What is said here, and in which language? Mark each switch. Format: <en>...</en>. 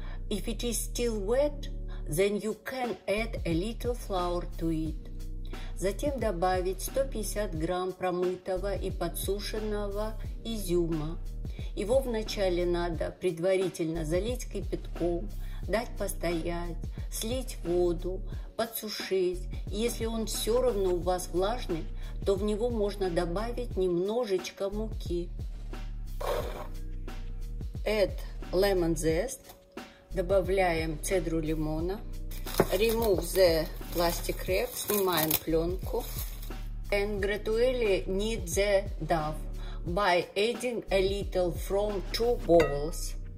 <en>If it is still wet, then you can add a little flour to it.</en> <ru>Затем добавить 150 грамм промытого и подсушенного изюма. Его вначале надо предварительно залить кипятком, дать постоять, слить воду, подсушить. Если он все равно у вас влажный, то в него можно добавить немножечко муки.</ru> <en>Add lemon zest.</en> <ru>Добавляем цедру лимона.</ru> <en>Remove the plastic wrap.</en> <ru>Снимаем пленку.</ru> <en>And gradually knead the dough by adding a little from two bowls.</en>